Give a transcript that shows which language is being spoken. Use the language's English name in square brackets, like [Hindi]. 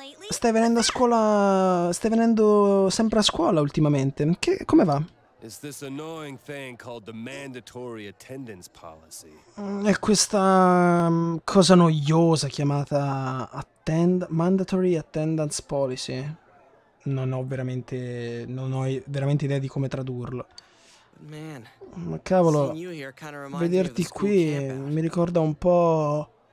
[Italian] Stai venendo sempre a scuola ultimamente. Come va? [English] It's this annoying thing called the mandatory attendance policy. [Italian] È questa cosa noiosa chiamata mandatory attendance policy. Non ho veramente idea di come tradurlo. [English] Man, [Italian] ma cavolo, vederti qui mi ricorda un po'...